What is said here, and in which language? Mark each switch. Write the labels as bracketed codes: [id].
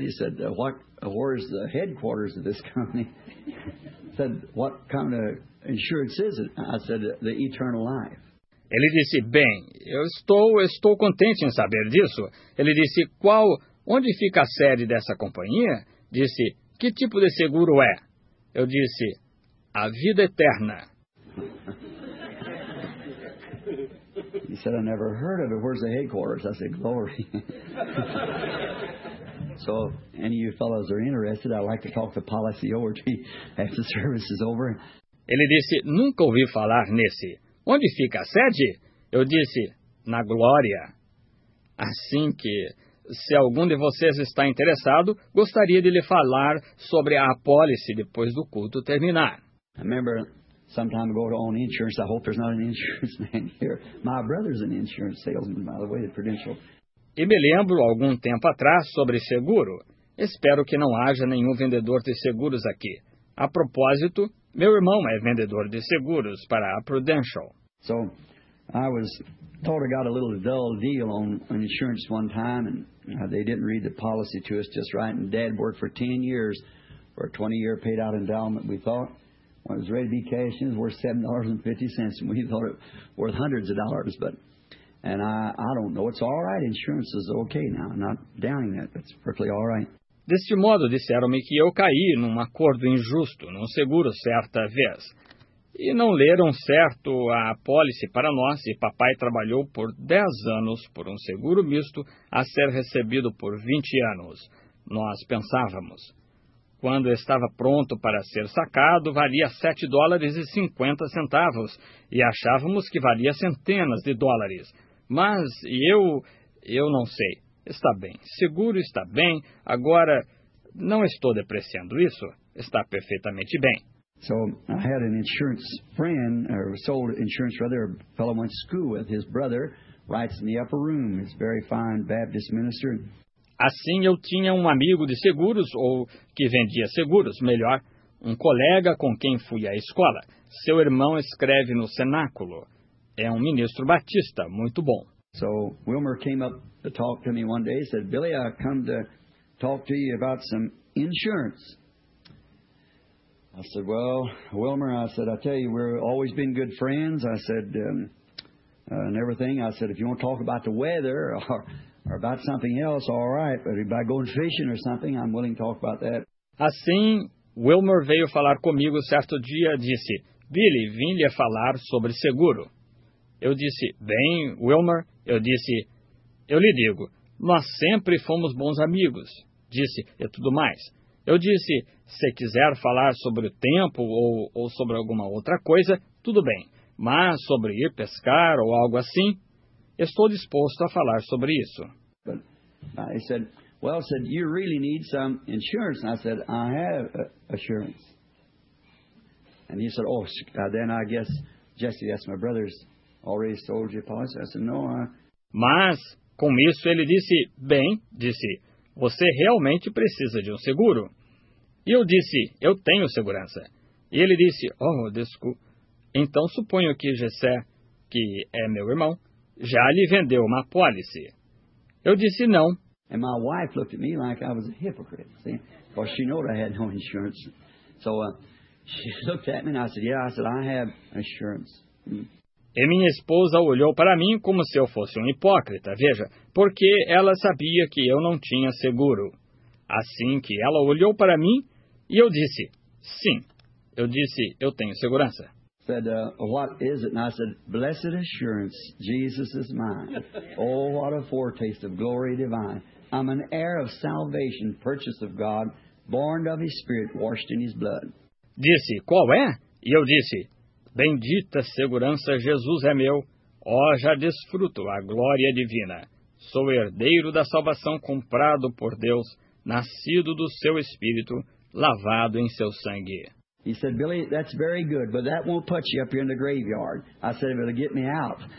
[en] He said, where is the headquarters of this company? He said, what kind of insurance is it? I said, the eternal life. [pt] Ele disse, bem, eu estou contente em saber disso. Ele disse, qual, onde fica a sede dessa companhia? Disse, que tipo de seguro é? Eu disse, a vida eterna. [en] He said, I never heard of it. Where's the headquarters? I said, glory. So, any of you fellows are interested, I'd like to talk the policy over to you after the service is over. [pt] Ele disse, nunca ouvi falar nesse. Onde fica a sede? Eu disse, na glória. Assim que, se algum de vocês está interessado, gostaria de lhe falar sobre a apólice depois do culto terminar. [en] I remember some time ago to own insurance. I hope there's not an insurance man here. My brother's an insurance salesman, by the way, the Prudential. [pt] E me lembro, algum tempo atrás, sobre seguro. Espero que não haja nenhum vendedor de seguros aqui. A propósito, meu irmão é vendedor de seguros para a Prudential. [en] So, I was told I got a little dull deal on insurance one time, and they didn't read the policy to us just right, and Dad worked for 10 years for a 20-year paid-out endowment, we thought. When it was ready to be cashed in, it was worth $7.50, and we thought it was worth hundreds of dollars, but, and I don't know, it's all right, insurance is okay now, I'm not downing that, it's perfectly all right. [pt] Deste modo, disseram-me que eu caí num acordo injusto, num seguro certa vez. E não leram certo a apólice para nós, e papai trabalhou por 10 anos por um seguro misto a ser recebido por 20 anos. Nós pensávamos. Quando estava pronto para ser sacado, valia $7.50, e achávamos que valia centenas de dólares. Mas eu não sei. Está bem, seguro está bem, agora não estou depreciando isso, está perfeitamente bem. [en] So, I had an insurance friend, or sold insurance rather, a fellow went to school with, his brother, writes in the upper room, he's a very fine Baptist minister. [pt] Assim, eu tinha um amigo de seguros, ou que vendia seguros, melhor, um colega com quem fui à escola. Seu irmão escreve no cenáculo, é um ministro batista, muito bom. [en] So Wilmer came up to talk to me one day. He said, "Billy, I come to talk to you about some insurance." I said, "Well, Wilmer," I said, "I tell you, we've always been good friends." I said, and everything. I said, "If you want to talk about the weather or about something else, all right. But about going fishing or something, I'm willing to talk about that." [pt] Assim, Wilmer veio falar comigo certo dia e disse, "Billy, vim lhe falar sobre seguro." Eu disse, "Bem, Wilmer." Eu disse, "Eu lhe digo, nós sempre fomos bons amigos." Disse, "e tudo mais." Eu disse, "Se quiser falar sobre o tempo ou sobre alguma outra coisa, tudo bem. Mas sobre ir pescar ou algo assim, estou disposto a falar sobre isso." Ele disse, [en] "Well," said, "you really need some insurance." And I said, "I have assurance." And he said, "Oh, then I guess, Jesse, that's my brother's already sold you policy." I said, "No, I..." [pt] Mas, com isso, ele disse, "Bem," disse, "você realmente precisa de um seguro." E eu disse, "Eu tenho segurança." E ele disse, "Oh, desculpa. Então suponho que Jessé, que é meu irmão, já lhe vendeu uma policy." Eu disse, "Não." [en] And my wife looked at me like I was a hypocrite, see? Because she knew I had no insurance. So she looked at me and I said, "Yeah," I said, "I have insurance." [pt] E minha esposa olhou para mim como se eu fosse um hipócrita, veja, porque ela sabia que eu não tinha seguro. Assim que ela olhou para mim, e eu disse, "Sim." Eu disse, "Eu tenho segurança." [en] Said, "What is it?" And I said, "Blessed assurance, Jesus is mine. Oh, what a foretaste of glory divine. I'm an heir of salvation, purchase of God, born of his spirit, washed in his blood." [pt] Disse, "Qual é?" E eu disse, "Bendita segurança, Jesus é meu. Oh, já desfruto a glória divina. Sou herdeiro da salvação comprado por Deus, nascido do seu Espírito, lavado em seu sangue." [en] He said, "Billy, that's very good, but that won't put you up here in the graveyard." I said, "It'll get me out.